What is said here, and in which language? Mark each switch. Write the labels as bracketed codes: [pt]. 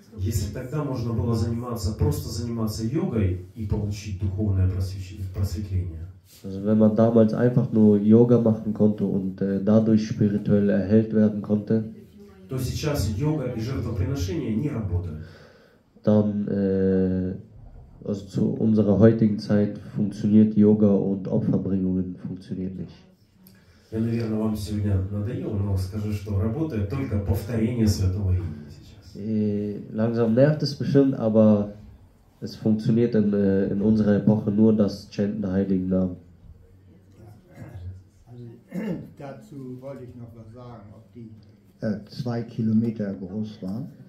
[ru] Если тогда можно было заниматься, просто заниматься йогой и получить духовное просветление. [de] Also wenn man damals einfach nur Yoga machen konnte und dadurch spirituell erhellt werden konnte, [ru] то сейчас йога и жертвоприношение не работают. [de] Dann also zu unserer heutigen Zeit funktioniert Yoga und Opferbringungen funktioniert nicht. [ru] Я, наверное, вам сегодня надоел, но скажу, что работает только повторение святого имени сейчас. [de] Langsam nervt es bestimmt, aber es funktioniert in unserer Epoche nur das Chanten der Heiligen Namen. Also, dazu wollte ich noch was sagen, ob die 2 Kilometer groß waren.